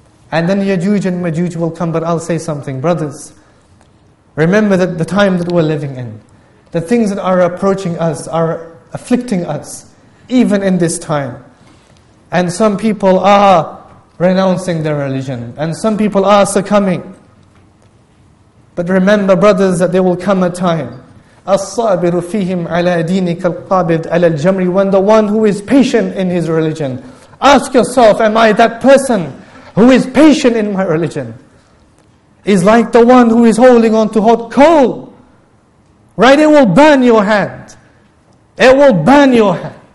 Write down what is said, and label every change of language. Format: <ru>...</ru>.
<en>And then Yajuj and Majuj will come, but I'll say something. Brothers, remember that the time that we're living in, the things that are approaching us, are afflicting us, even in this time. And some people are renouncing their religion, and some people are succumbing. But remember, brothers, that there will come a time.</en> <ar>الصابر فيهم على دينك القابض على الجمر.</ar> <en>When the one who is patient in his religion, ask yourself, am I that person who is patient in my religion? Is like the one who is holding on to hot coal. Right? It will burn your hand. It will burn your hand.</en>